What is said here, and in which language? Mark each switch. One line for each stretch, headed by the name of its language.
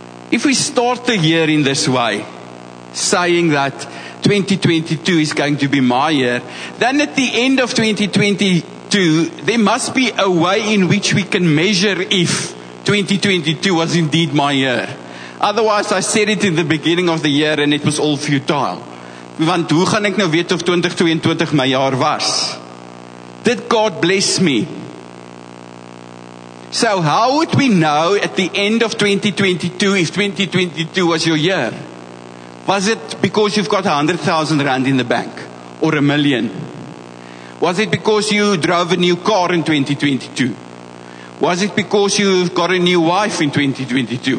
English: If we start the year in this way, saying that 2022 is going to be my year, then at the end of 2022, there must be a way in which we can measure if 2022 was indeed my year. Otherwise, I said it in the beginning of the year and it was all futile.
Afrikaans: Want hoe gaan ek nou weet of 2022 my jaar was?
English: Did God bless me? So how would we know at the end of 2022 if 2022 was your year? Was it because you've got 100,000 rand in the bank? Or 1 million? Was it because you drove a new car in 2022? Was it because you've got a new wife in 2022?